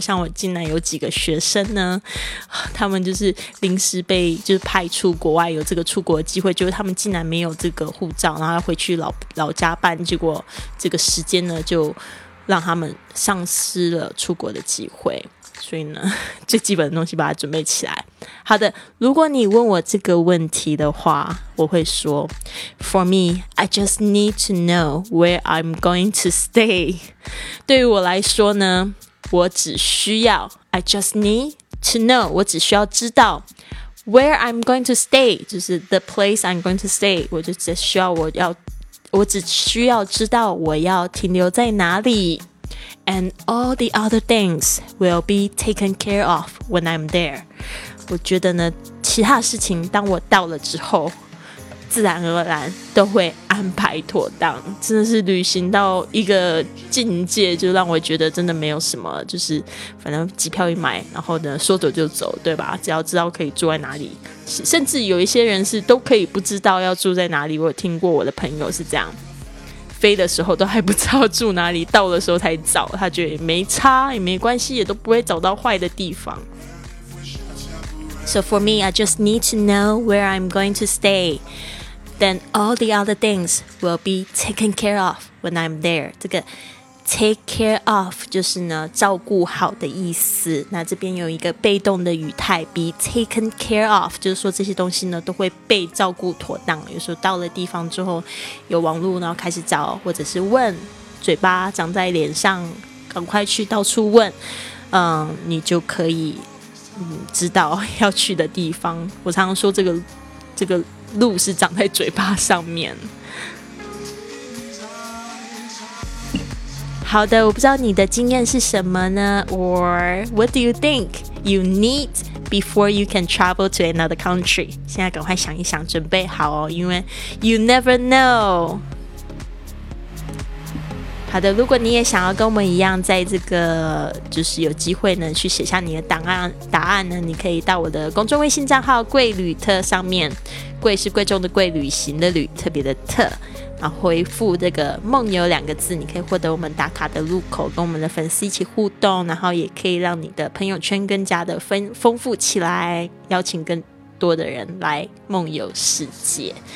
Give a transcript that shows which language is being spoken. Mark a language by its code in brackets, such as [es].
[zh] 像我竟然有几个学生呢，他们就是临时被就是派出国外，有这个出国的机会，就是他们竟然没有这个护照，然后回去 老家办，结果这个时间呢就让他们丧失了出国的机会。所以呢，最基本的东西把它准备起来。好的，如果你问我这个问题的话，我会说 [en] For me, I just need to know where I'm going to stay。 [zh] 对于我来说呢，我只需要 [en] I just need to know， [zh] 我只需要知道 [en] Where I'm going to stay， [zh] 就是 [en] the place I'm going to stay， [zh] 我就只需要我只需要知道我要停留在哪里。 [en] And all the other things will be taken care of when I'm there。 [zh] 我觉得呢，其他事情当我到了之后，自然而然都会安排妥当。真的是旅行到一个境界，就让我觉得真的没有什么，就是反正机票一买，然后呢说走就走，对吧？只要知道可以住在哪里，甚至有一些人是都可以不知道要住在哪里。我有听过我的朋友是这样，飞的时候都还不知道住哪里，到的时候才找，他觉得也没差也没关系，也都不会找到坏的地方。 [en] So for me, I just need to know where I'm going to stay. Then all the other things will be taken care of when I'm there. [zh] 这个 [en] take care of [zh] 就是呢照顾好的意思，那这边有一个被动的语态 [en] be taken care of， [zh] 就是说这些东西呢都会被照顾妥当，有时候到了地方之后有网络然后开始找或者是问，嘴巴长在脸上赶快去到处问，你就可以知道要去的地方。我常常说这个路是长在嘴巴上面。好的，我不知道你的经验是什么呢？ [en] Or what do you think you need before you can travel to another country? [zh] 现在赶快想一想，准备好哦，因为 [en] you never know。 [zh] 好的，如果你也想要跟我们一样，在这个就是有机会呢去写下你的答案呢，你可以到我的公众微信账号贵旅特上面，贵是贵重的贵，旅行的旅，特别的特，然后回复这个梦游两个字，你可以获得我们打卡的入口，跟我们的粉丝一起互动，然后也可以让你的朋友圈更加的丰富起来，邀请更多的人来梦游世界。